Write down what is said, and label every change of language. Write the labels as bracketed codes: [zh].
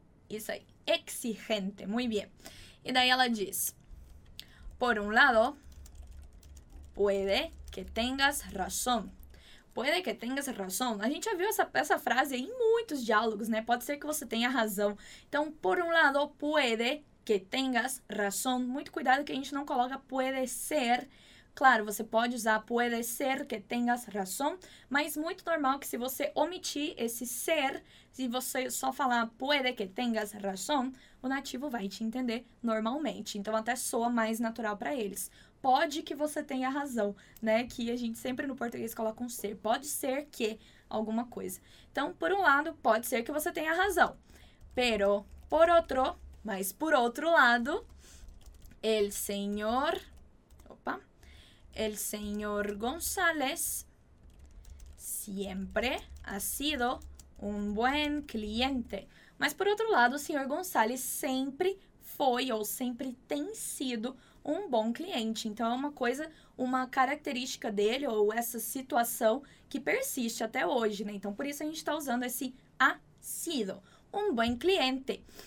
[pt] Isso aí, exigente, [es] muy bien. [pt] E daí ela diz: por um lado, [es] puede que tengas razón. Puede que tengas razón. [pt] A gente já viu essa frase em muitos diálogos, né? Pode ser que você tenha razão. Então, por um lado, [es] puede que tengas razón. [pt] Muito cuidado que a gente não coloca puede ser. Claro, você pode usar [es] puede ser que tengas razón. [pt] Mas muito normal que se você omitir esse ser, se você só falar [es] puede que tengas razón, [pt] o nativo vai te entender normalmente. Então, até soa mais natural para eles. Pode que você tenha razão, né? Que a gente sempre no português coloca um ser. Pode ser que alguma coisa. Então, por um lado, pode ser que você tenha razão. [es] Pero, [pt] por outro, mas por outro lado, [es] el señor, opa, el señor González siempre ha sido un buen cliente. [pt] Mas por outro lado, o senhor González sempre foi ou sempre tem sido um bom cliente. Então, é uma coisa, uma característica dele ou essa situação que persiste até hoje, né? Então, por isso a gente está usando esse ha sido um bom cliente.